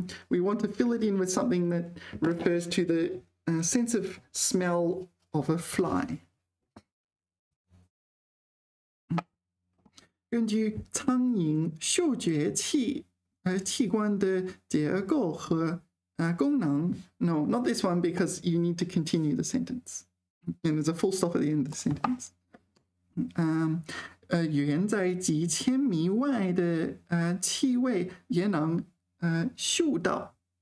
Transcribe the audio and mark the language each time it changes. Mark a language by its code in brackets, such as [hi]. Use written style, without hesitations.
[en] We want to fill it in with something that refers to the sense of smell of a fly. [zh] 根据苍蝇嗅觉器官的结构和功能 [en] No, not this one because you need to continue the sentence. And there's a full stop at the end of the sentence. [zh] 远在几千米外的 气味也能 嗅到